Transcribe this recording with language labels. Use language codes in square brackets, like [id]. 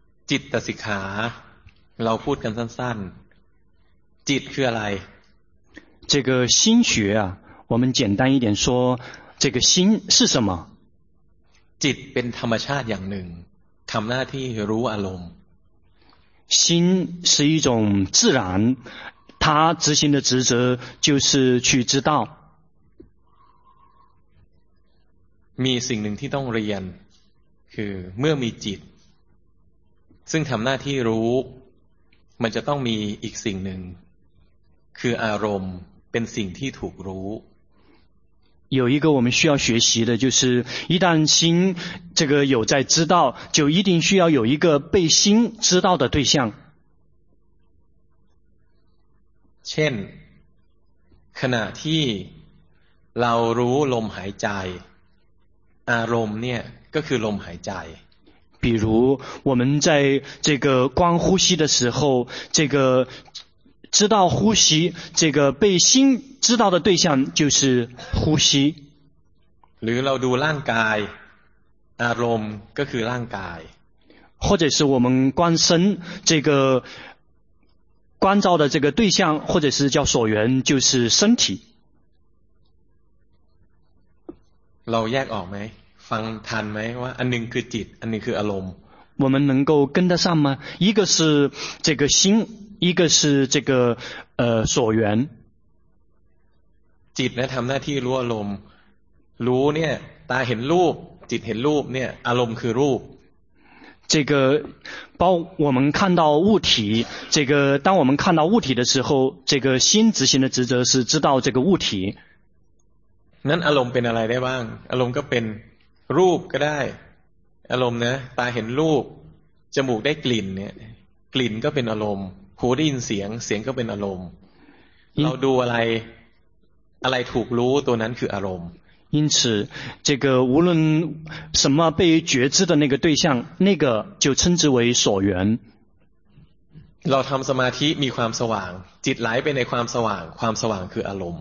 [th] จิตสิกขาเราพูดกันสั้นๆจิตคืออะไร [zh] 这个心学啊我们简单一点说这个心是什么 [th] จิตเป็นธรรมชาติอย่างหนึ่งทำหน้าที่รู้อารมณ์ [zh] 心是一种自然，它执行的职责就是去知道。 [th] มีสิ่งหนึ่งที่ต้องเรียนคือเมื่อมีจิตซึ่งทำหน้าที่รู้มันจะต้องมีอีกสิ่งหนึ่งคืออารมณ์เป็นสิ่งที่ถูกรู้ [zh] 有一个我们需要学习的就是一旦心这个有在知道就一定需要有一个被心知道的对象 [th] เช่นขณะที่เรารู้ลมหายใจอารมณ์เนี่ยก็คือลมหายใจ [zh] 比如我们在这个观呼吸的时候这个知道呼吸这个被心知道的对象就是呼吸 [th] หรือเราดูร่างกายอารมณ์ก็คือร่างกาย [zh] 或者是我们观身这个观照的这个对象或者是叫所缘就是身体 [th] เราแยกออกไหมฟังทันไหมว่าอันหนึ่งคือจิตอันหนึ่งคืออารมณ์ [zh] 我们能够跟得上吗一个是这个心一个是这个所缘 [th] จิตเนี่ยทำหน้าที่รู้อารมณ์รู้เนี่ยตาเห็นรูปจิตเห็นรูปเนี่ยอารมณ์คือรูป [zh] 这个包我们看到物体这个当我们看到物体的时候这个心执行的职责是知道这个物体 [th] นั้นอารมณ์เป็นอะไรได้บ้างอารมณ์ก็เป็นรูปก็ได้อารมณ์นะตาเห็นรูปจมูกได้กลิ่นเนี่ยกลิ่นก็เป็นอารมณ์หูได้ยินเสียงเสียงก็เป็นอารมณ์เราดูอะไรอะไรถูกรู้ตัวนั้นคืออารมณ์ [zh] 因此这个无论什么被觉知的那个对象那个就称之为所缘 [th] เราทำสมาธิมีความสว่างจิตไหลไปในความสว่างความสว่างคืออารมณ